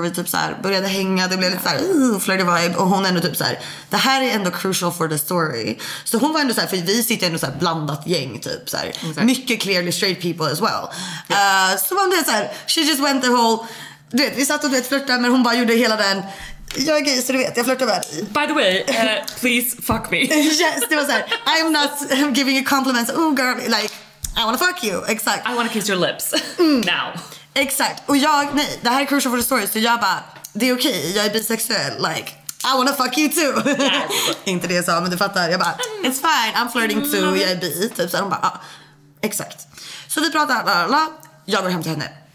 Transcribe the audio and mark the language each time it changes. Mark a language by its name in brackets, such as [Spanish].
[Swedish] Vi typ såhär började hänga. Det blev lite såhär flirty vibe. Och hon ändå typ såhär, det här är ändå [English] crucial for the story. [Swedish] Så hon var ändå såhär, för vi sitter ändå såhär blandat gäng typ såhär, mycket [English] clearly straight people as well. [Swedish] Så hon blev såhär, [English] she just went the whole, [Swedish] du vet, vi satt och du vet flirtade. Men hon bara gjorde hela den, jag är gay så du vet, jag flirtar med. [English] By the way, please fuck me. Yes, [Swedish] det var såhär, [English] I'm not giving you compliments. Oh girl, like I wanna fuck you, [Swedish] exakt. [English] I wanna kiss your lips, now. [Swedish] Exakt, och jag, nej, det här är [English] crucial for the story. [Swedish] Så jag bara, det är okej, jag är bisexuell. [English] Like, I wanna fuck you too. [Swedish] Inte det jag sa, men du fattar. Jag bara, [English] it's fine, I'm flirting too, [Swedish] jag är bi. Typ så, hon bara, ah, exakt. Så vi pratar, lalala. Jag går hem till henne.